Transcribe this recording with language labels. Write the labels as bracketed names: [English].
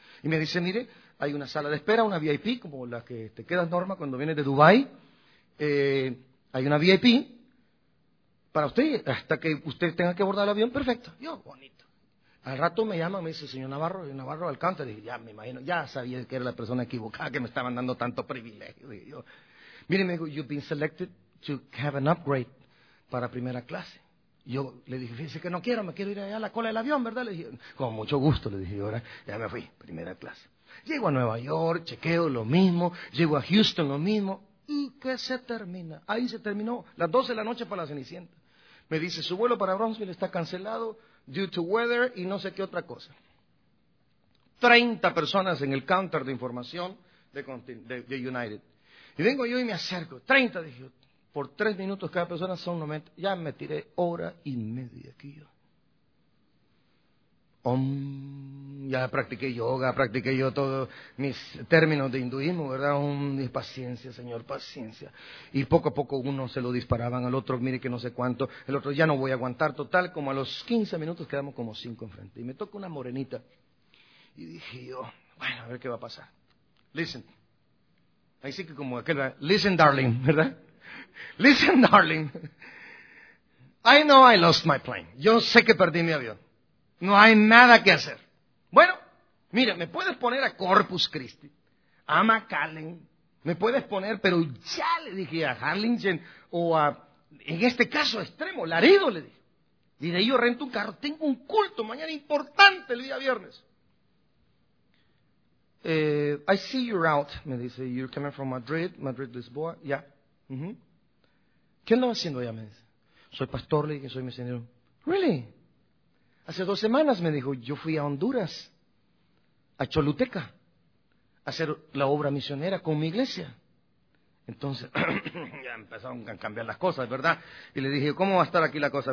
[Spanish] Y me dice, mire, hay una sala de espera, una VIP, como la que te quedas, Norma, cuando vienes de Dubái. Hay una VIP para usted, hasta que usted tenga que abordar el avión, perfecto. Yo, bonito. Al rato me llama, me dice, señor Navarro, y Navarro Alcántara. Dije, ya me imagino, ya sabía que era la persona equivocada, que me estaban dando tanto privilegio. Dije, yo, mire, me dijo, [English] you've been selected to have an upgrade [Spanish] para primera clase. Yo le dije, fíjese que no quiero, me quiero ir allá a la cola del avión, ¿verdad? Le dije, con mucho gusto, le dije, ahora ya me fui, primera clase. Llego a Nueva York, chequeo, lo mismo, llego a Houston, lo mismo, y que se termina. Ahí se terminó, las 12 de la noche para la Cenicienta. Me dice, su vuelo para Bronzeville está cancelado, [English] due to weather, [Spanish] y no sé qué otra cosa. 30 personas en el counter de información de United. Y vengo yo y me acerco, 30, dije yo. Por 3 minutos cada persona son 90. Ya me tiré hora y media aquí yo. Om, ya practiqué yoga, practiqué yo todos mis términos de hinduismo, ¿verdad? Om, y paciencia, señor, paciencia. Y poco a poco uno se lo disparaban al otro, mire que no sé cuánto. El otro, ya no voy a aguantar. Total, como a los 15 minutos quedamos como 5 enfrente. Y me toca una morenita. Y dije yo, bueno, a ver qué va a pasar. [English] Listen. [Spanish] Ahí sí que como aquel, [English] listen, darling, [Spanish] ¿verdad? [English] Listen, darling, I know I lost my plane. [Spanish] Yo sé que perdí mi avión. No hay nada que hacer. Bueno, mira, me puedes poner a Corpus Christi, a McAllen, me puedes poner, pero ya le dije a Harlingen, o a, en este caso extremo, Laredo, le dije. Y de ahí yo rento un carro. Tengo un culto mañana importante el día viernes. [English] I see you're out, [Spanish] me dice. [English] You're coming from Madrid, Lisboa. Yeah. [Spanish] ¿Qué andaba haciendo allá? Me dice. Soy pastor, le dije, soy misionero. [English] Really? [Spanish] Hace 2 semanas, me dijo, yo fui a Honduras, a Choluteca, a hacer la obra misionera con mi iglesia. Entonces, ya empezaron a cambiar las cosas, ¿verdad? Y le dije, ¿cómo va a estar aquí la cosa?